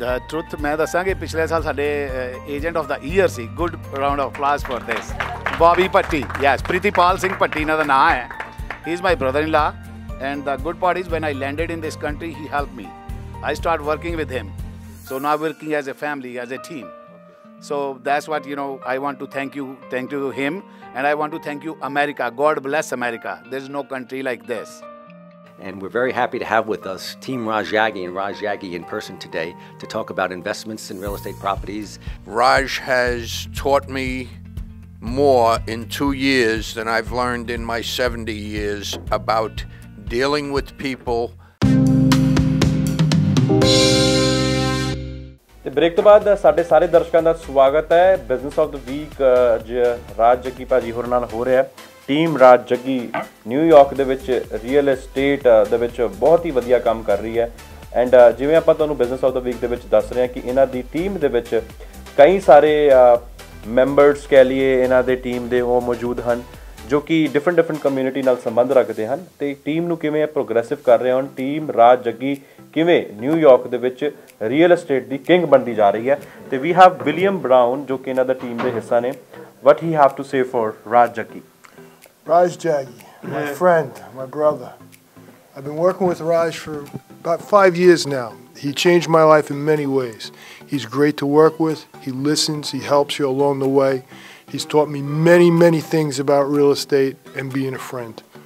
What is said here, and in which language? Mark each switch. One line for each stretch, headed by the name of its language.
Punjabi: Truth ਮੈਂ ਦੱਸਾਂਗੇ, ਪਿਛਲੇ ਸਾਲ ਸਾਡੇ
English: agent of the year ਸੀ, good round of class for this, Bobby Bhatti, yes, Pritipal Singh Bhatti
Punjabi: ਇਹਨਾਂ ਦਾ ਨਾਂ ਹੈ,
English: He is my brother in law, and the good part is when I landed in this country he help me, I start working with him, so now working as a family, as a team, so that's what you know, I want to thank you, thank you to him, and I want to thank you America, God bless America, there is no country like this. And we're very happy to have with us Team Raj Yagi and Raj Yagi in person today to talk about investments in real estate properties. Raj has taught me more in 2 years than I've learned in my 70 years about dealing with people.
Punjabi: ਤੇ break ਤੋਂ ਬਾਅਦ ਸਾਡੇ ਸਾਰੇ ਦਰਸ਼ਕਾਂ ਦਾ ਸਵਾਗਤ ਹੈ business of the week, ਅੱਜ ਰਾਜ ਜੱਗੀ ਭਾਜੀ ਹੋਰ ਨਾਲ ਹੋ ਰਿਹਾ। ਟੀਮ ਰਾਜ ਜੱਗੀ ਨਿਊਯਾਰਕ ਦੇ ਵਿੱਚ ਰੀਅਲ ਇਸਟੇਟ ਦੇ ਵਿੱਚ ਬਹੁਤ ਹੀ ਵਧੀਆ ਕੰਮ ਕਰ ਰਹੀ ਹੈ, ਐਂਡ ਜਿਵੇਂ ਆਪਾਂ ਤੁਹਾਨੂੰ ਬਿਜ਼ਨਸ ਆਫ ਦ ਵੀਕ ਦੇ ਵਿੱਚ ਦੱਸ ਰਹੇ ਹਾਂ ਕਿ ਇਹਨਾਂ ਦੀ ਟੀਮ ਦੇ ਵਿੱਚ ਕਈ ਸਾਰੇ ਮੈਂਬਰਸ ਕਹਿ ਲਈਏ ਇਹਨਾਂ ਦੇ ਟੀਮ ਦੇ ਉਹ ਮੌਜੂਦ ਹਨ ਜੋ ਕਿ ਡਿਫਰੈਂਟ ਡਿਫਰੈਂਟ ਕਮਿਊਨਿਟੀ ਨਾਲ ਸੰਬੰਧ ਰੱਖਦੇ ਹਨ, ਅਤੇ ਟੀਮ ਨੂੰ ਕਿਵੇਂ ਪ੍ਰੋਗਰੈਸਿਵ ਕਰ ਰਹੇ ਹਨ, ਟੀਮ ਰਾਜ ਜੱਗੀ ਕਿਵੇਂ ਨਿਊਯਾਰਕ ਦੇ ਵਿੱਚ ਰੀਅਲ ਇਸਟੇਟ ਦੀ ਕਿੰਗ ਬਣਦੀ ਜਾ ਰਹੀ ਹੈ, ਅਤੇ
English: we have
Punjabi: ਵਿਲੀਅਮ ਬਰਾਊਨ ਜੋ ਕਿ ਇਹਨਾਂ ਦਾ ਟੀਮ ਦੇ ਹਿੱਸਾ ਨੇ,
English: What he have to say for Raj Jaggi? Raj Jaggi, my friend, my brother. I've been working with Raj for about 5 years now. He changed my life in many ways. He's great to work with. He listens. He helps you along the way. He's taught me many, many things about real estate and being a friend.